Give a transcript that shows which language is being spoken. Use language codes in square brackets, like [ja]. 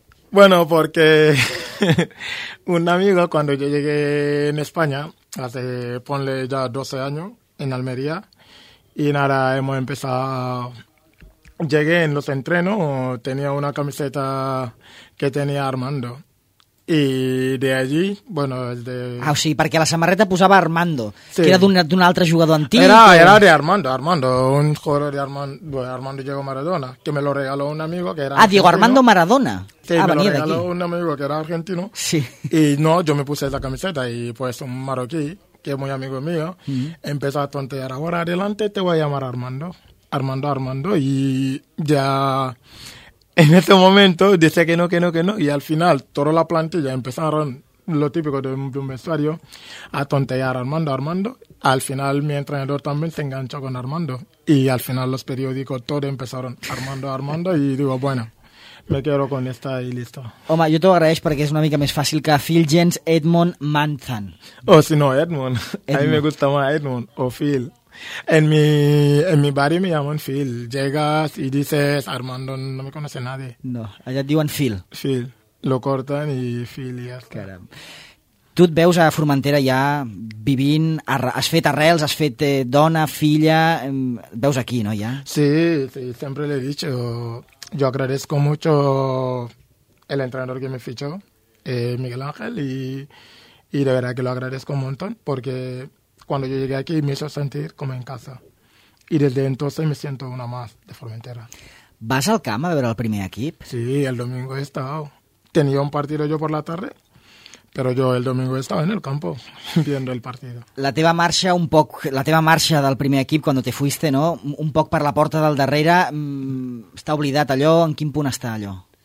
[es] Bueno, porque un amigo, cuando yo llegué en España, hace, ponle ya 12 años, en Almería, y nada, hemos empezado. Llegué en los entrenos, tenía una camiseta que tenía Armando. Y de allí, bueno, es de... [ca] Ah, o sigui, perquè la samarreta posava Armando, sí. Que era d'un altre jugador antic. [es] Era de Armando, un jugador de Armando, bueno, Armando Diego Maradona, que me lo regaló un amigo que era... Ah, Diego Armando Maradona. Sí, ah, me lo regaló un amigo que era argentino. Sí. Y no, yo me puse esa camiseta y pues un marroquí, que es muy amigo mío, empezó a tontear. Ahora adelante te voy a llamar Armando. Armando, y ya... En ese momento dice que no, y al final toda la plantilla empezaron, lo típico de un vestuario, a tontear a Armando. Al final mi entrenador también se enganchó con Armando, y al final los periódicos todos empezaron Armando, y digo, bueno, me quedo con esta y listo. [ca] Home, jo t'ho agraeix perquè és una mica més fàcil que Phil Jens Edmond Manzan. [es] Oh, si no, Edmond. A mi me gusta más Edmond o Phil. En mi barrio me llaman Phil. Llegas y dices, Armando, no me conoce nadie. [ca] No, allà et diuen Phil. [es] Phil, lo corten y Phil y ya está. [ca] Caram. Tu et veus a Formentera ja vivint, has fet arrels, has fet dona, filla, et veus aquí, no, ja? [es] Sí, siempre le he dicho. Yo agradezco mucho el entrenador que me fichó, Miguel Ángel, y de verdad que lo agradezco un montón porque... Cuando yo llegué aquí me hizo sentir como en casa. Y desde entonces me siento una más de Formentera. [ca] ¿Vas al camp a veure el primer equip? [es] Sí, el domingo he estado. Tenía un partido yo por la tarde, pero yo el domingo he estado en el campo viendo el partido. [ca] La teva marxa un poc, la teva marxa del primer equip [es] cuando te fuiste, [ca] ¿no? Un poc per la porta del darrere, està oblidat allò, en quin punt està allò?